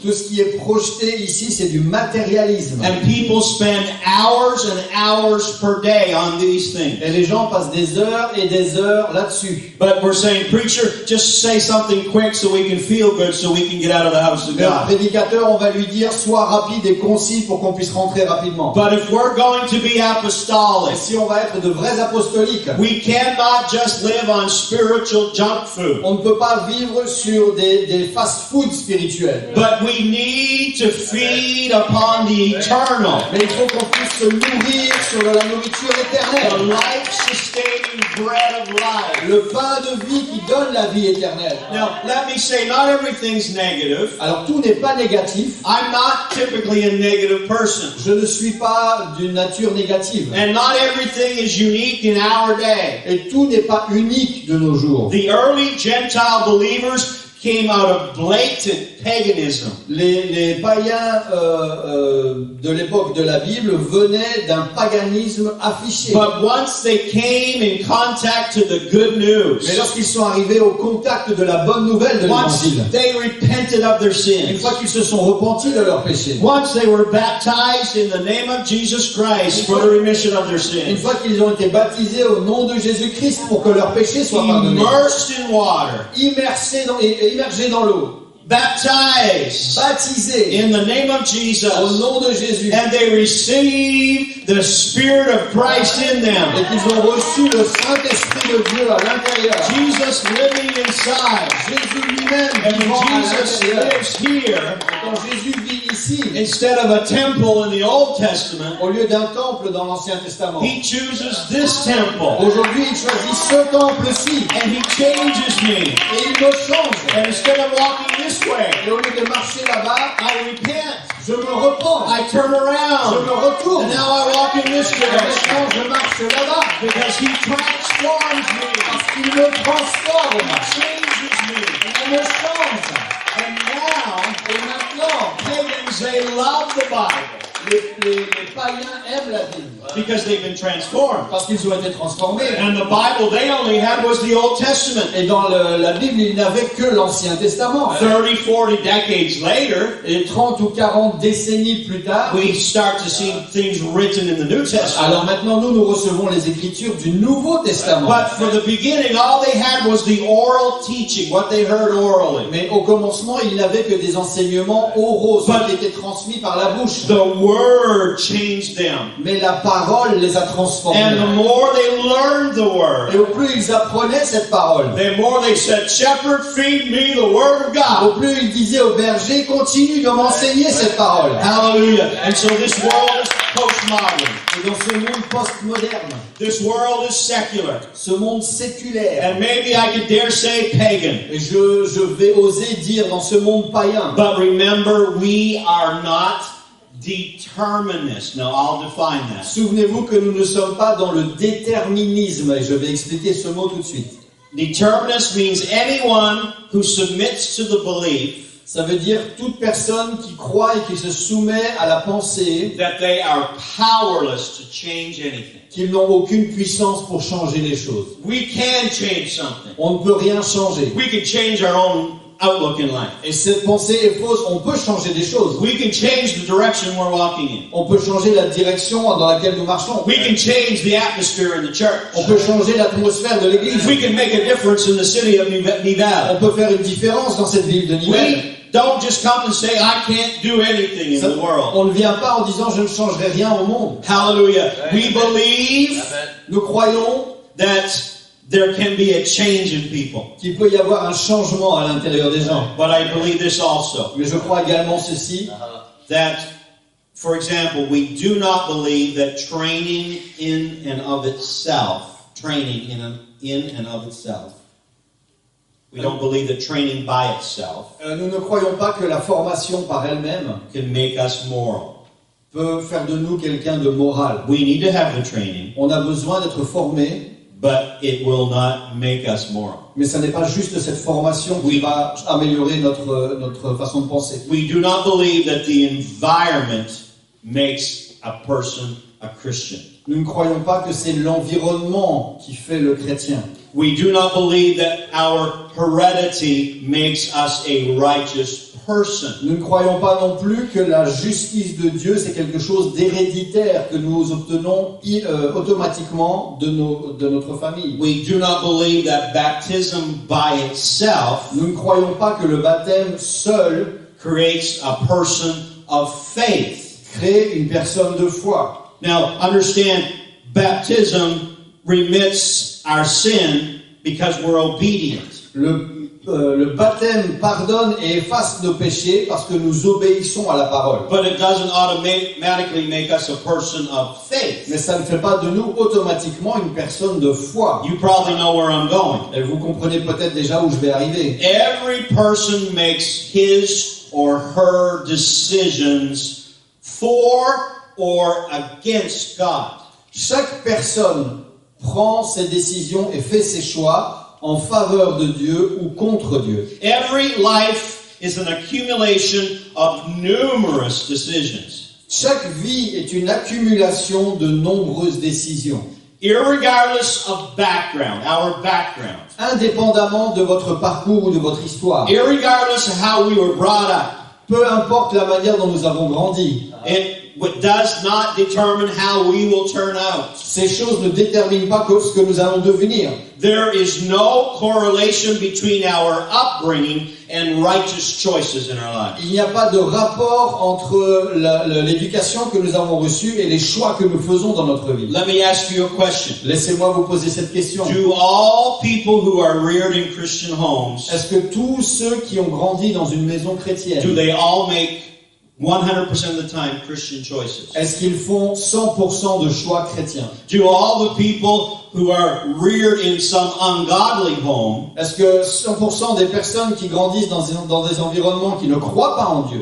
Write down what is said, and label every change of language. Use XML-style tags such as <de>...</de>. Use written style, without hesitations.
<fr>Tout ce qui est projeté ici, c'est du matérialisme.</fr> <en>And people spend hours and hours per day on these things.</en> <fr>Et les gens passent des heures et des heures là-dessus.</fr> <en>But we're saying, preacher, just say something quick so we can feel good, so we can get out of the house of God.</en> <fr>Mais prédicateur, on va lui dire, sois rapide et concis pour qu'on puisse rentrer rapidement.</fr> <en>But if we're going to be apostolic,</en> <fr>et si on va être de vrais apostoliques,</fr> <en>we cannot just live on spiritual junk.</en> <fr>On ne peut pas vivre sur des fast-foods spirituels.</fr> <en>But we need to feed upon the eternal.</en> <fr>Mais il faut qu'on puisse se nourrir sur la nourriture éternelle.</fr> <en>The life-sustaining bread of life.</en> <fr>Le pain de vie qui donne la vie éternelle.</fr> <en>Now, let me say, not everything's negative.</en> <fr>Alors, tout n'est pas négatif.</fr> <en>I'm not typically a negative person.</en> <fr>Je ne suis pas d'une nature négative.</fr> <en>And not everything is unique in our day.</en> <fr>Et tout n'est pas unique de nos jours.</fr> <en>The early Gentile believers came out of blatant paganism.</en> <fr>Les païens de l'époque de la Bible venaient d'un paganisme affiché.</fr> <en>But once they came in contact to the good news,</en> <fr>mais lorsqu'ils sont arrivés au contact de la bonne nouvelle de l'Évangile,</fr> <en>once they repented of their sins,</en> <fr>une fois qu'ils se sont repentis de leurs péchés,</fr> <en>once they were baptized in the name of Jesus Christ for the remission of their sins,</en> <fr>une fois qu'ils ont été baptisés au nom de Jésus Christ pour que leurs péchés soient pardonnés,</fr> <en>immersed in water,</en> <fr>immersés dans immergé dans l'eau,</fr> <en>baptisé in the name of Jesus,</en> <fr>au nom de Jésus,</fr> <en>and they receive the Spirit of Christ in them,</en> <fr>et qu'ils ont reçu le Saint-Esprit de Dieu à l'intérieur,</fr> <en>Jesus living inside,</en> <fr>Jésus lui-même,</fr> <en>and when Jesus lives here,</en> <fr>quand Jésus vit ici,</fr> <en>instead of a temple in the Old Testament,</en> <fr>au lieu d'un temple dans l'Ancien Testament,</fr> <en>he chooses this temple,</en> <fr>aujourd'hui il choisit ce temple-ci,</fr> <en>and he changes me,</en> <fr>et il me change,</fr> <en>and instead of walking this way,</en> <fr>et au lieu de marcher là-bas,</fr> <en>I repent,</en> <fr>je me repens,</fr> <en>I turn around,</en> <fr>je me retourne,</fr> <en>and now I walk in this direction,</en> <fr>je marche là-bas,</fr> <en>because he transforms me,</en> <fr>parce qu'il me transforme,</fr> <en>he changes me,</en> <fr>et il me change.</fr> <en>Pagans, they love the Bible.</en> <fr>Les païens aiment la Bible.</fr> <en>Because they've been transformed.</en> <fr>Parce qu'ils ont été transformés.</fr> <en>And the Bible they only had was the Old Testament.</en> <fr>Et dans la Bible, ils n'avaient que l'Ancien Testament.</fr> <en>30, 40 decades later,</en> <fr>et 30 ou 40 décennies plus tard,</fr> <en>we start to see things written in the New Testament.</en> <fr>Alors maintenant, nous recevons les Écritures du Nouveau Testament.</fr> <en>But for the beginning, all they had was the oral teaching, what they heard orally.</en> <fr>Mais au commencement, ils n'avaient que des enseignements oraux, ce qui était transmis par la bouche.</fr> <en>The Word changed them.</en> <fr>Mais la parole les a transformés.</fr> <en>And the more they learned the word,</en> <fr>et au plus ils apprenaient cette parole,</fr> <en>the more they said, "Shepherd, feed me the word of God."</en> <fr>Au plus ils disaient au berger, continue de m'enseigner cette parole.</fr> <en>Hallelujah. And so this world is postmodern.</en> <fr>Et dans ce monde postmoderne,</fr> <en>this world is secular.</en> <fr>Ce monde séculaire.</fr> <en>And maybe I could dare say pagan.</en> <fr>Et je vais oser dire dans ce monde païen.</fr> <en>But remember, we are not determinist. Now I'll define that.</en> <fr>Souvenez-vous que nous ne sommes pas dans le déterminisme, et je vais expliquer ce mot tout de suite.</fr> <en>Determinist means anyone who submits to the belief.</en> <fr>Ça veut dire toute personne qui croit et qui se soumet à la pensée</fr> <en>that they are powerless to change anything.</en> <fr>Qu'ils n'ont aucune puissance pour changer les choses.</fr> <en>We can change something.</en> <fr>On ne peut rien changer.</fr> <en>We can change our own outlook in life.</en> <fr>Et cette pensée est fausse. On peut changer des choses.</fr> <en>We can change the direction we're walking in.</en> <fr>On peut changer la direction dans laquelle nous marchons.</fr> <en>We can change the atmosphere in the church.</en> <fr>On peut changer l'atmosphère de l'église.</fr> <en>We can make a difference in the city of Nivelle.</en> <fr>On peut faire une différence dans cette ville de Nivelle.</fr> <en>Don't just come and say I can't do anything in the world.</en> <fr>On ne vient pas en disant je ne changerai rien au monde.</fr> <en>Hallelujah. We believe.</en> <fr>Nous croyons</fr> <en>that there can be a change in people.</en> <fr>Qu'il peut y avoir un changement à l'intérieur des gens.</fr> <en>But I believe this also.</en> <fr>Mais je crois également ceci.</fr> <en>That, for example, we do not believe that training in and of itself, we don't believe that training by itself</en> <fr>nous ne croyons pas que la formation par elle-même</fr> <en>can make us moral.</en> <fr>Peut faire de nous quelqu'un de moral.</fr> <en>We need to have the training.</en> <fr>On a besoin d'être formé.</fr> <en>But it will not make us moral.</en> <fr>Mais ça n'est pas juste cette formation qui va améliorer notre façon de penser.</fr> <en>We do not believe that the environment makes a person a Christian.</en> <fr>Nous ne croyons pas que c'est l'environnement qui fait le chrétien.</fr> <en>We do not believe that our heredity makes us a righteous person.</en> <fr>Nous ne croyons pas non plus que la justice de Dieu c'est quelque chose d'héréditaire que nous obtenons automatiquement de notre famille.</fr> <en>We do not believe that baptism by itself.</en> <fr>Nous ne croyons pas que le baptême seul</fr> <en>creates a person of faith.</en> <fr>Crée une personne de foi.</fr> <en>Now understand, baptism remits our sin because we're obedient.</en> <fr>Le baptême pardonne et efface nos péchés parce que nous obéissons à la parole.</fr> <en>But it doesn't automatically make us a person of faith.</en> <fr>Mais ça ne fait pas de nous automatiquement une personne de foi.</fr> <en>You probably know where I'm going.</en> <fr>Et vous comprenez peut-être déjà où je vais arriver.</fr> <en>Every person makes his or her decisions for or against God.</en> <fr>Chaque personne prend ses décisions et fait ses choix en faveur de Dieu ou contre Dieu.</fr> <en>Every life is an accumulation of numerous decisions.</en> <fr>Chaque vie est une accumulation de nombreuses décisions.</fr> <en>Irregardless of background, our background.</en> <fr>Indépendamment de votre parcours ou de votre histoire.</fr> <en>Irregardless of how we were brought up.</en> <fr>Peu importe la manière dont nous avons grandi.</fr> <en>It does not determine how we will turn out.</en> <fr>Ces choses ne déterminent pas ce que nous allons devenir.</fr> <en>There is no correlation between our upbringing and righteous choices in our lives.</en> <fr>Il n'y a pas de rapport entre l'éducation que nous avons reçue et les choix que nous faisons dans notre vie.</fr> <en>Let me ask you a question.</en> <fr>Laissez-moi vous poser cette question.</fr> <en>Do all people who are reared in Christian homes?</en> <fr>Est-ce que tous ceux qui ont grandi dans une maison chrétienne?</fr> <en>Do they all make 100% of the time Christian choices?</en> <fr>Est-ce qu'ils font 100% de choix chrétiens?</fr> <en>Do all the people who are reared in some ungodly home?</en> <fr>Est-ce que 100% des personnes qui grandissent dans des environnements qui ne croient pas en Dieu?</fr>